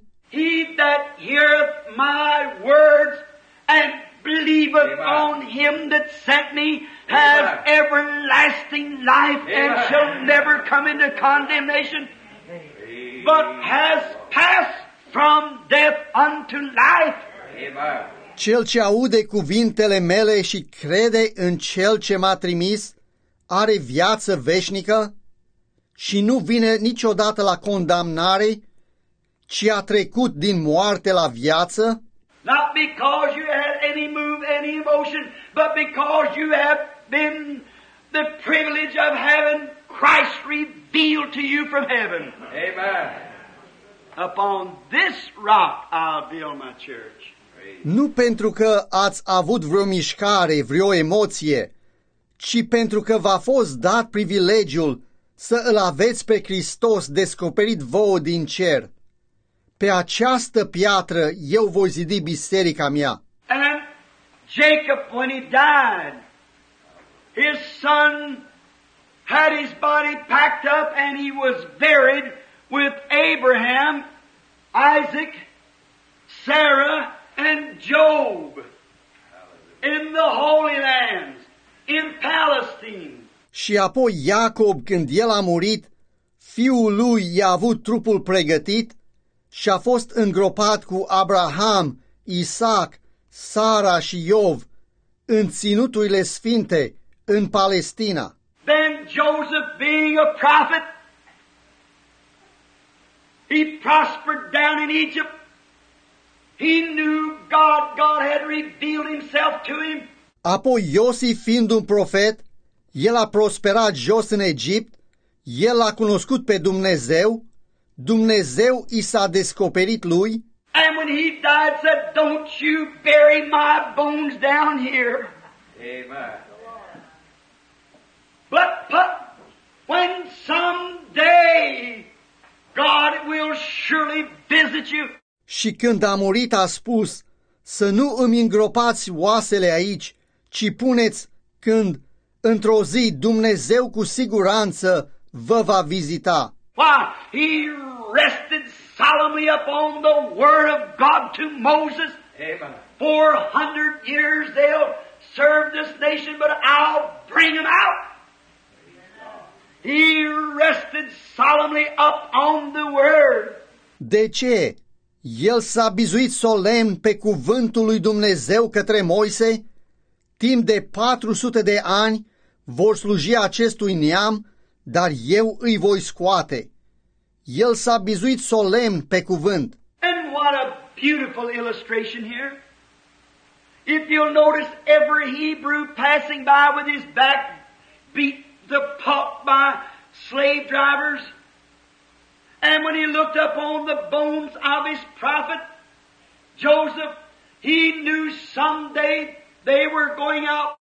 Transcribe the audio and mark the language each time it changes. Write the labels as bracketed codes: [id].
[en] He that heareth my words and believeth Amen. On him that sent me has Amen. Everlasting life Amen. And shall never come into condemnation, Amen. But has passed from death unto life. Amen. [ro] Cel ce aude cuvintele mele și crede în cel ce m-a trimis are viață veșnică și nu vine niciodată la condamnare, ci a trecut din moarte la viață. [en] Not because you had any move, any emotion, but because you have been the privilege of having Christ revealed to you from heaven. Amen. Upon this rock I'll build my church. [ro] Nu pentru că ați avut vreo mișcare, vreo emoție, ci pentru că v-a fost dat privilegiul să îl aveți pe Hristos descoperit vouă din cer. Pe această piatră eu voi zidi biserica mea. [en] And Jacob, when he died, his son had his body packed up and he was buried with Abraham, Isaac, Sarah, and Job in the Holy Land, in Palestine. [ro] Și apoi Iacob, când el a murit, fiul lui i-a avut trupul pregătit și a fost îngropat cu Abraham, Isaac, Sara și Iov în ținuturile sfinte în Palestina. [en] Then Joseph, being a prophet, he prospered down in Egypt. He knew God. God had revealed himself to him. [ro] Apoi Iosif, fiind un profet, el a prosperat jos în Egipt, el a cunoscut pe Dumnezeu, Dumnezeu i s-a descoperit lui. [en] And when he died, said, "Don't you bury my bones down here." Amen. But when someday God will surely visit you. [ro] Și când a murit, a spus, să nu îmi îngropați oasele aici, ci puneți când într-o zi Dumnezeu cu siguranță vă va vizita. [en] Why, he rested solemnly upon the word of God to Moses. Amen. 400 years they'll serve this nation, but I'll bring them out. He rested solemnly up on the word. [ro] De ce? El s-a bizuit solemn pe cuvântul lui Dumnezeu către Moise. Timp de 400 de ani vor sluji acestui neam, dar eu îi voi scoate. El s-a bizuit solemn pe cuvânt. [en] And what a beautiful illustration here. If you'll notice every Hebrew passing by with his back beat the pulp by slave drivers. And when he looked up on the bones of his prophet, Joseph, he knew someday they were going out.